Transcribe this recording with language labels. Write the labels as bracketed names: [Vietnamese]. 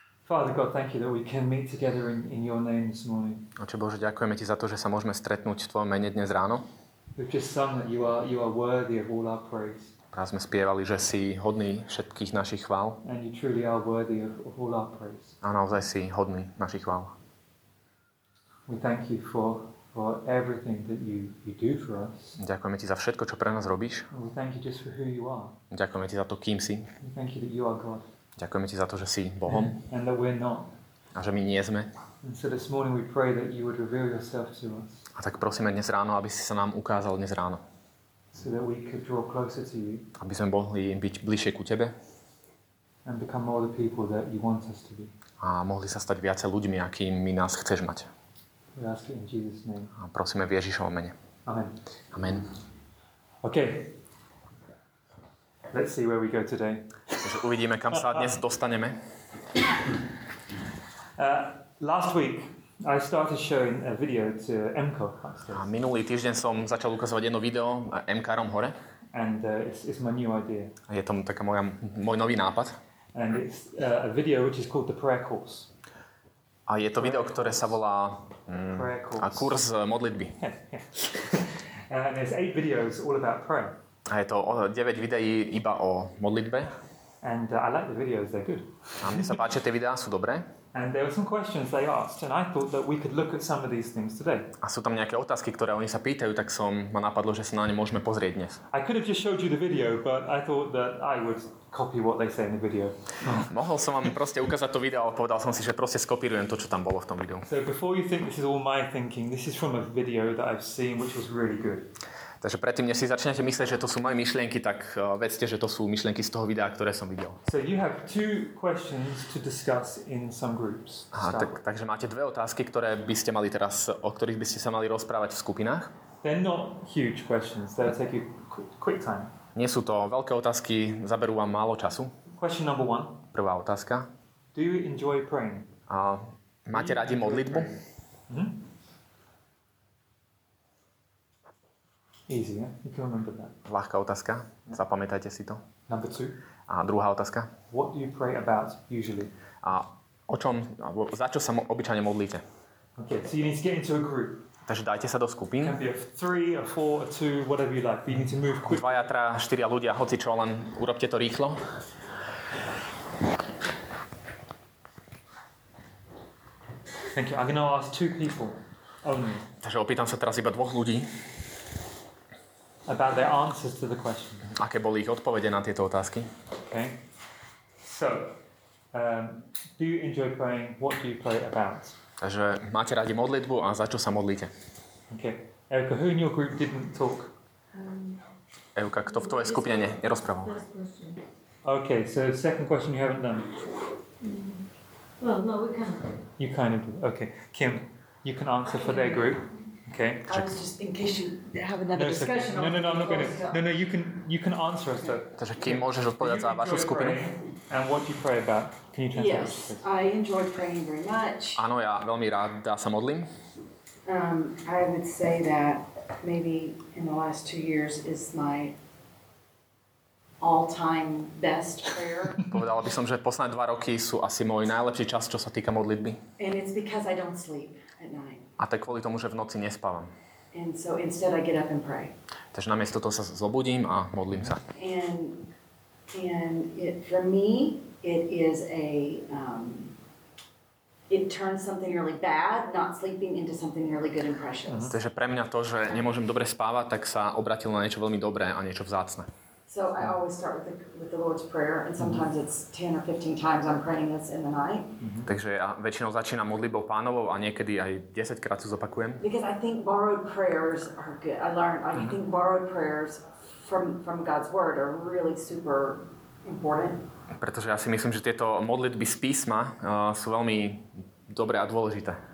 [English] Father God, thank you that we can meet together in your name this morning. [Slovak] Oče Bože, ďakujeme ti za to, že sa môžeme stretnúť v tvojom mene dnes ráno. [English] We've just sung that you are worthy of all our praise. [Slovak] Raz sme spievali, že si hodný všetkých našich chvál. [English] And you truly are worthy of all our praise. [Slovak] A naozaj si hodný našich chvál. [English] We thank you for everything that you do for us. [Slovak] Ďakujeme ti za všetko, čo pre nás robíš. [English] We thank you just for who you are. [Slovak] Ďakujeme ti za to, kým si. [English] We thank you that you are God. [Slovak] Ďakujeme ti za to, že si Bohom. [English] And that we're not. [Slovak] A že my nie sme. [English] And so this morning we pray that you would reveal yourself to us. [Slovak] A tak prosíme dnes ráno, aby si sa nám ukázal dnes ráno. [English] So that we could draw closer to you. [Slovak] Aby sme mohli byť bližšie ku tebe. [English] And become more the people that you want us to be. [Slovak] A mohli sa stať viacej ľuďmi, akými nás chceš mať. [English] We ask it in Jesus' name. [Slovak] A prosíme v Ježišovom mene. [English] Amen. [Slovak] Amen. [English] Okay. Let's see where we go today. [Slovak] Takže uvidíme, kam sa dnes dostaneme. [English] Last week I started showing a video to Emko. [Slovak] A minulý týždeň som začal ukazovať jedno video Emkarom hore. [English] And it's my new idea. [Slovak] A je to taká môj nový nápad. [English] And it's a video which is called the prayer course. [Slovak] A je to video, ktoré sa volá [English] prayer course. [Slovak] A kurz modlitby. [English] Yeah. And there's 8 videos all about prayer. [Slovak] A je to 9 videí iba o modlitbe. [English] And I like the videos, they're good. [Slovak] A mne sa páčia, tie videá sú dobré. [English] And there were some questions they asked and I thought that we could look at some of these things today. [Slovak] A sú tam nejaké otázky, ktoré oni sa pýtajú, tak som ma napadlo, že sa na ne môžeme pozrieť dnes. [English] I could have just showed you the video, but I thought that I would copy what they say in the video. [Slovak] Mohol som vám proste ukázať to video, ale povedal som si, že proste skopírujem to, čo tam bolo v tom videu. [English] So before you think this is all my thinking, this is from a video that I've seen which was really good. [Slovak] Takže predtým, než si začnete myslieť, že to sú moje myšlienky, tak vedzte, že to sú myšlienky z toho videa, ktoré som videl. [English] So you have two questions to discuss in some groups. [Slovak] Takže máte dve otázky, ktoré by ste mali teraz, o ktorých by ste sa mali rozprávať v skupinách. [English] They're not huge questions. They'll take you quick time. [Slovak] Nie sú to veľké otázky, zaberú vám málo času. [English] Question number one. [Slovak] Prvá otázka. [English] Do you enjoy praying? [Slovak] Máte radi modlitbu? [English] Easy, yeah? You can remember that. [Slovak] Ľahká otázka. Yeah. Zapamätajte si to. [English] Number two. [Slovak] A druhá otázka. [English] What do you pray about usually? [Slovak] A o čom, alebo za čo sa obyčajne modlíte? [English] Okay, so you need to get into a group. [Slovak] Takže dajte sa do skupín. [English] It can be of three, or four, or two, whatever you like. But you need to move quickly. [Slovak] Dvaja, traja, štyria ľudia, hoci čo, len urobte to rýchlo. [English] Thank you. I'm going to ask two people only. [Slovak] Takže opýtam sa teraz iba dvoch ľudí. [English] About their answers to the question. [Slovak] Aké boli ich odpovede na tieto otázky? [English] Okay. So, do you enjoy praying? What do you pray about? [Slovak] Takže máte radi modlitbu a za čo sa modlíte? [English] Okay. Evka, who in your group didn't talk? [Slovak] Evka, kto v tvojej skupine nerozprával? [English] Okay, so second question you haven't done. Well, no, we can't. You kind of do. Okay. Kim, you can answer for their group. Okay. I was just in case you have another discussion. No, I'm not going to. No, you can answer us though. [Slovak] Takže kým môžeš odpovedať za vašu skupinu? [English] And what do you pray about? Can you translate? Yes, I enjoy praying very much. [Slovak] Áno, ja veľmi rád sa modlím. [English] I would say that maybe in the last 2 years is my all-time best prayer. [Slovak] Povedala by som, že posledné 2 roky sú asi môj najlepší čas, čo sa týka modlitby. [English] And it's because I don't sleep. [Slovak] A tak kvôli tomu, že v noci nespávam. [English] And so instead I get up and pray. [Slovak] Takže namiesto toho sa zobudím a modlím sa. [English] And it, for me it is a it turns something really bad, not sleeping, into something really good and precious. [Slovak] Takže pre mňa to, že nemôžem dobre spávať, tak sa obratil na niečo veľmi dobré a niečo vzácne. [English] So I always start with the Lord's Prayer and sometimes it's 10 or 15 times I'm praying this in the night. [Slovak] Takže ja väčšinou začínam modlitbou Pánovou a niekedy aj 10 krát to zopakujem. [English] Because I think borrowed prayers are good. I think borrowed prayers from God's word are really super important. [Slovak] Pretože ja si myslím, že tieto modlitby z písma sú veľmi dobré a dôležité.